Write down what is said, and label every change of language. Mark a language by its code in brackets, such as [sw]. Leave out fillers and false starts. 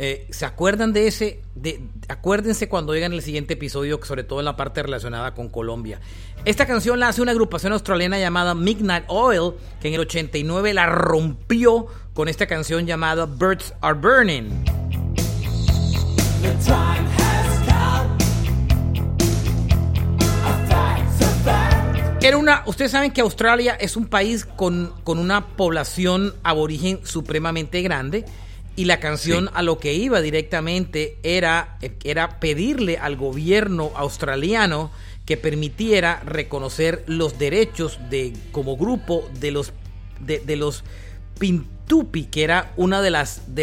[es] ¿Se acuerdan de ese? Acuérdense cuando llegan el siguiente episodio, sobre todo en la parte relacionada con Colombia. Esta canción la hace una agrupación australiana llamada Midnight Oil, que en el 89 la rompió con esta canción llamada Birds Are Burning. [en] The time has come. A fact's a fact. [es] Era una, ustedes saben que Australia es un país con una población aborigen supremamente grande, y la canción sí. A lo que iba directamente era pedirle al gobierno australiano que permitiera reconocer los derechos de como grupo de los Pintupi, que era una de las